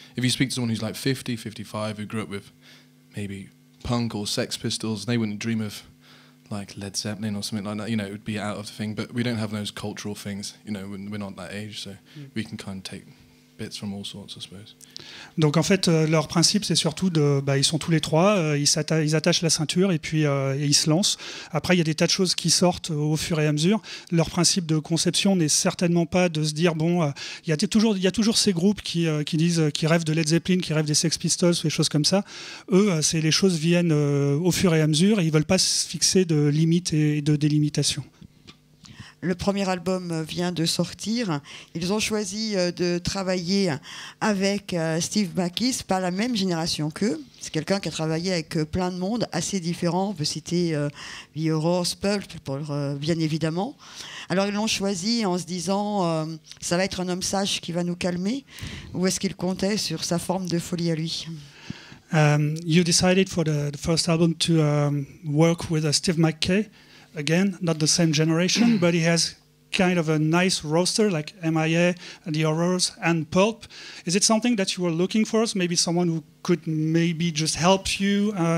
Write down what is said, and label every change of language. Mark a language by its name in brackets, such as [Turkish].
[English] If you speak to someone who's like 50, 55, who grew up with maybe punk or Sex Pistols, they wouldn't dream of like Led Zeppelin or something like that, you know, it would be out of the thing, but we don't have those cultural things, you know, we're not that age, so we can kind of take bits from all sorts, I suppose. [French] Donc en fait, leur principe, c'est surtout de, ils sont tous les trois, ils attachent la ceinture et puis ils se lancent. Après, il y a des tas de choses qui sortent au fur et à mesure. Leur principe de conception n'est certainement pas de se dire, bon, il y a toujours ces groupes qui disent, qui rêvent de Led Zeppelin, qui rêvent des Sex Pistols, ou des choses comme ça. Eux, c'est les choses viennent au fur et à mesure et ils ne veulent pas se fixer de limites et de délimitations. Le premier album vient de sortir. Ils ont choisi de travailler avec Steve Backis, pas la même génération qu'eux. C'est quelqu'un qui a travaillé avec plein de monde, assez différent. On peut citer The Horse, Pulp, bien évidemment. Alors ils l'ont choisi en se disant, ça va être un homme sage qui va nous calmer. Ou est-ce qu'il comptait sur sa forme de folie à lui? [English] You decided for the first album to work with Steve McKay. Again, not the same generation, but he has kind of a nice roster, like MIA, The Horrors, and Pulp. Is it something that you were looking for? Maybe someone who could maybe just help you?